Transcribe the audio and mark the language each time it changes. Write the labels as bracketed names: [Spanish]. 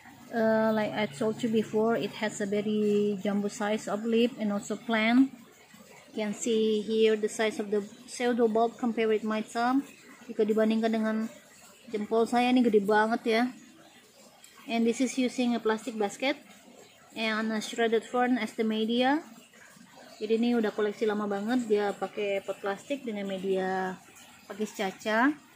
[English] Like I told you before, it has a very jumbo size of leaf and also plant. You can see here the size of the pseudo bulb compared with my thumb. [Indonesian] Jika dibandingkan dengan jempol saya, ini gede banget ya. [English] And this is using a plastic basket and a shredded fern as the media. [Indonesian] Jadi ini udah koleksi lama banget, dia pakai pot plastik dengan media pakis caca.